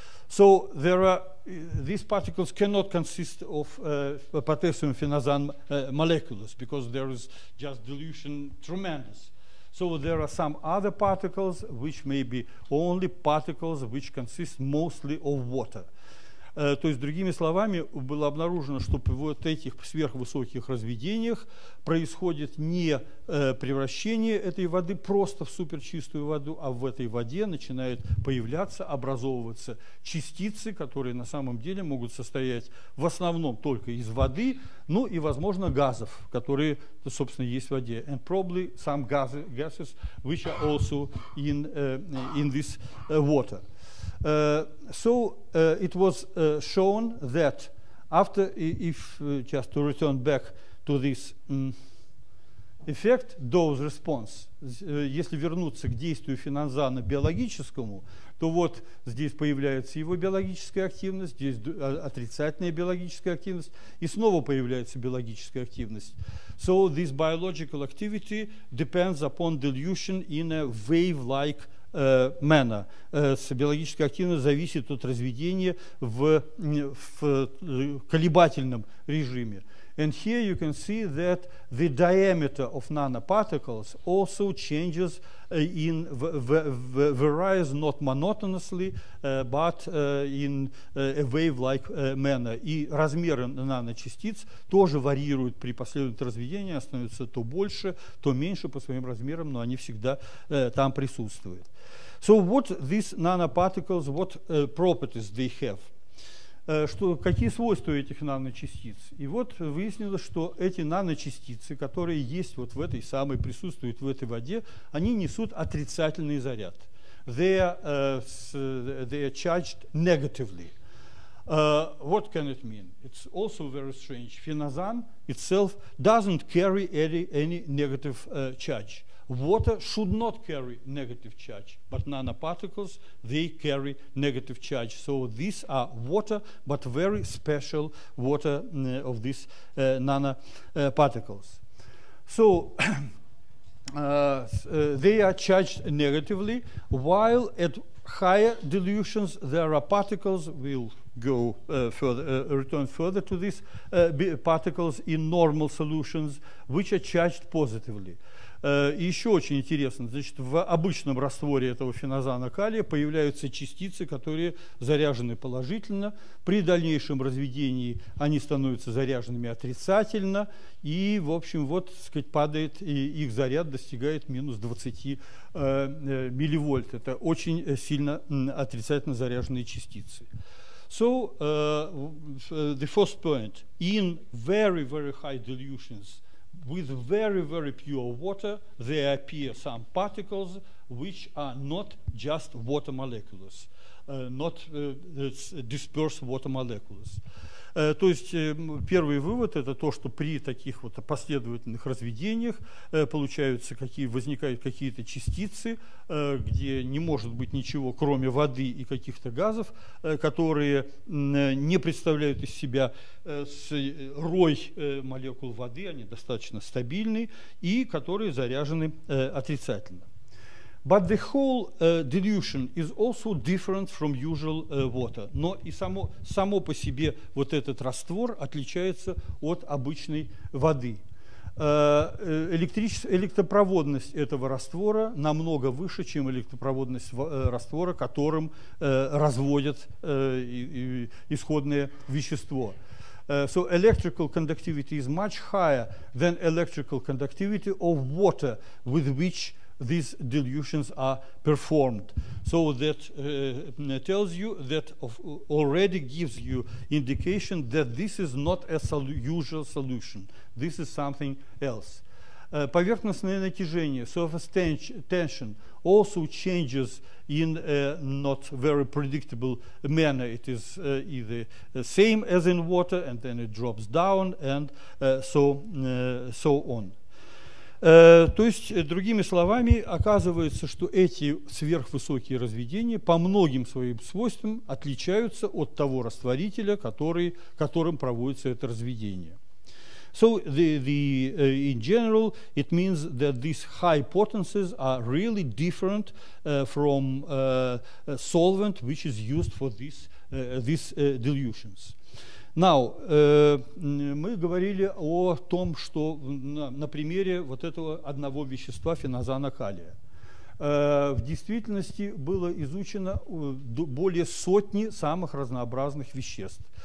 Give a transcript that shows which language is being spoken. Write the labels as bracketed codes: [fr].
[en] So these particles cannot consist of potassium phenazan molecules because there is just dilution tremendous. So there are some other particles which may be only particles which consist mostly of water. [ru] То есть, другими словами, было обнаружено, что в вот этих сверхвысоких разведениях происходит не превращение этой воды просто в суперчистую воду, а в этой воде начинают появляться, образовываться частицы, которые на самом деле могут состоять в основном только из воды, ну и, возможно, газов, которые, собственно, есть в воде. [en] And probably some gases which are also in this water. So it was shown that after, just to return back to this effect, dose response, [ru] если вернуться к действию фенозана биологическому, то вот здесь появляется его биологическая активность, здесь отрицательная биологическая активность, и снова появляется биологическая активность. [en] So this biological activity depends upon dilution in a wave-like manner. [ru] Биологическая активность зависит от разведения в колебательном режиме. [en] And here you can see that the diameter of nanoparticles also changes in varies not monotonously, but in a wave-like manner. [ru] И размеры наночастиц тоже варьируют при последовательном разведении, становятся то больше, то меньше по своим размерам, но они всегда там присутствуют. [en] So what these nanoparticles, what properties they have? [ru] Какие свойства этих наночастиц? И вот выяснилось, что эти наночастицы, которые есть вот в этой самой, присутствуют в этой воде, они несут отрицательный заряд. [en] They are charged negatively. What can it mean? It's also very strange. Phenazan itself doesn't carry any negative charge. Water should not carry negative charge, but nanoparticles, they carry negative charge. So these are water, but very special water of these nanoparticles. So they are charged negatively, while at higher dilutions, there are particles will go further, return further to these particles in normal solutions, which are charged positively. [ru] Еще очень интересно, значит, в обычном растворе этого феназана калия появляются частицы, которые заряжены положительно. При дальнейшем разведении они становятся заряженными отрицательно. И, в общем, вот, так сказать, падает, и их заряд достигает минус 20 милливольт. Это очень сильно отрицательно заряженные частицы. [en] So, the first point, in very, very high dilutions, with very, very pure water, there appear some particles which are not just water molecules, not dispersed water molecules. [ru] То есть первый вывод – это то, что при таких вот последовательных разведениях получаются возникают какие-то частицы, где не может быть ничего, кроме воды и каких-то газов, которые не представляют из себя рой молекул воды, они достаточно стабильные, и которые заряжены отрицательно. [en] But the whole dilution is also different from usual water. [ru] Но и само по себе вот этот раствор отличается от обычной воды. Электропроводность этого раствора намного выше, чем электропроводность раствора, которым разводят исходное вещество. [en] So electrical conductivity is much higher than electrical conductivity of water with which these dilutions are performed. So that tells you that already gives you indication that this is not a usual solution. This is something else. [ru] Поверхностное натяжение, [en] surface tension, also changes in a not very predictable manner. It is either the same as in water, and then it drops down, and so on. [ru] То есть, другими словами, оказывается, что эти сверхвысокие разведения по многим своим свойствам отличаются от того растворителя, которым проводится это разведение. [en] So in general, it means that these high potencies are really different from a solvent which is used for these dilutions. [ru] Now, мы говорили о том, что на примере вот этого одного вещества феназана калия. В действительности было изучено более сотни самых разнообразных веществ.